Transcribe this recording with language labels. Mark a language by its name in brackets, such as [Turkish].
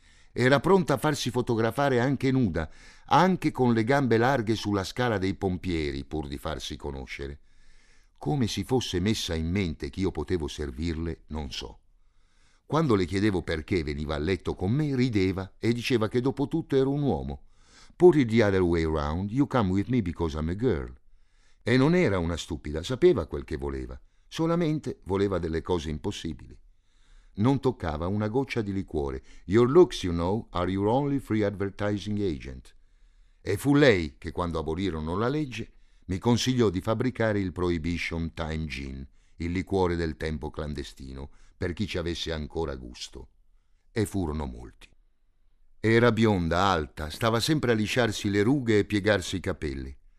[Italian] Era pronta a farsi fotografare anche nuda, anche con le gambe larghe sulla scala dei pompieri, pur di farsi conoscere. Come si fosse messa in mente che io potevo servirle, non so. Quando le chiedevo perché veniva a letto con me, rideva e diceva che dopo tutto ero un uomo. [English] Put it the other way around, you come with me because I'm a girl. [Italian] E non era una stupida, sapeva quel che voleva. Solamente voleva delle cose impossibili. Non toccava una goccia di liquore. [English] Your looks, you know, are your only free advertising agent. [Italian] E fu lei che, quando abolirono la legge, mi consigliò di fabbricare il Prohibition Time Gin, il liquore del tempo clandestino, per chi ci avesse ancora gusto. E furono molti. Era bionda, alta, stava sempre a lisciarsi le rughe e piegarsi i capelli.